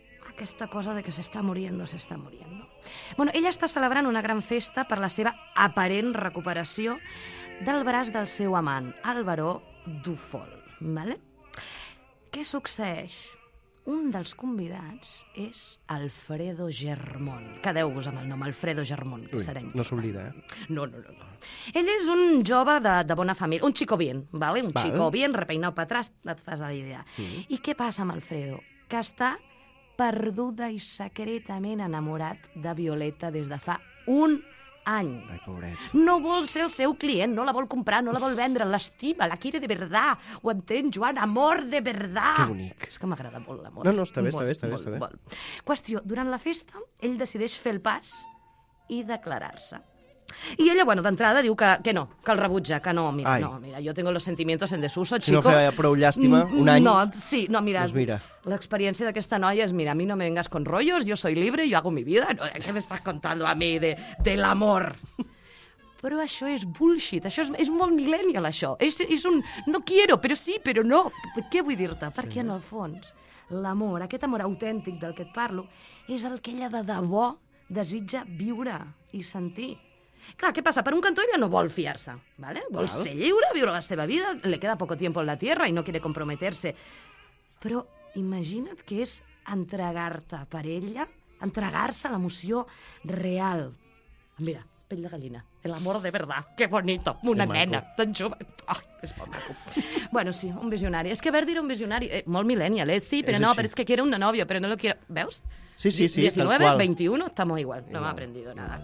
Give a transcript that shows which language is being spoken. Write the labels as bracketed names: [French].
[Catalan] aquesta cosa de que s'està muriendo, s'està muriendo. Bueno, ella està celebrant una gran festa per la seva aparent recuperació del braç del seu amant, el baró Dufol. ¿Vale? Què succeeix? Un dels convidats és Alfredo Germón. Quedeu-vos amb el nom, Alfredo Germón, que serà important. No s'oblida, No, no, no. Ell és un jove de bona família, [Spanish] un chico bien, [Catalan] ¿vale? [Spanish] Un chico bien, repeinado para atrás, [Catalan] et fas la idea. I què passa amb Alfredo? Que està perduda i secretament enamorat de Violeta des de fa un any. Ai, pobret. No vol ser el seu client, no la vol comprar, no la vol vendre, l'estima, [Spanish] la quiere de verdad. [Catalan] Ho entens, Joan? [Spanish] Amor de verdad. [Catalan] Que bonic. És que m'agrada molt l'amor. No, no, està bé, molt, està bé, està bé. Està bé. Molt. Qüestió, durant la festa, ell decideix fer el pas i declarar-se. I ella, bueno, d'entrada diu que no, que el rebutja, que no, mira, ai, no, mira, [Spanish] yo tengo los sentimientos en desuso, chico. [Catalan] Si no feia prou llàstima, un any. [Spanish] No, sí, no, mira, pues mira, [Catalan] l'experiència d'aquesta noia és, [Spanish] mira, a mi no me vengas con rollos, yo soy libre, yo hago mi vida, no, ¿qué me estás contando a mí de l'amor? [Catalan] Però això és bullshit, això és molt millennial, això. És un [Spanish] no quiero, pero sí, pero no. [Catalan] Què vull dir-te? Sí. Perquè en el fons, l'amor, aquest amor autèntic del que et parlo, és el que ella de debò desitja viure i sentir. Clar, què passa? Per un cantó ella no vol fiar-se, ¿vale? Vol ser lliure, viure la seva vida, [Spanish] le queda poco tiempo en la tierra y no quiere comprometerse. [Catalan] Però imagina't que és entregar-te per ella, entregar-se a l'emoció real. Mira, pell de gallina, [Spanish] el amor de verdad, qué bonito, una nena tan jove. [Catalan] Oh, és molt maco. Bueno, sí, un visionari. És que Verdi era un visionari, molt millennial, ¿eh? Sí, però no, però és que [Spanish] quiere una novia, [Catalan] però [Spanish] no lo quiere... [Catalan] Veus? Sí, sí, sí, 19, tal qual. [Spanish] 21, estamos igual, no m'ha aprendido nada.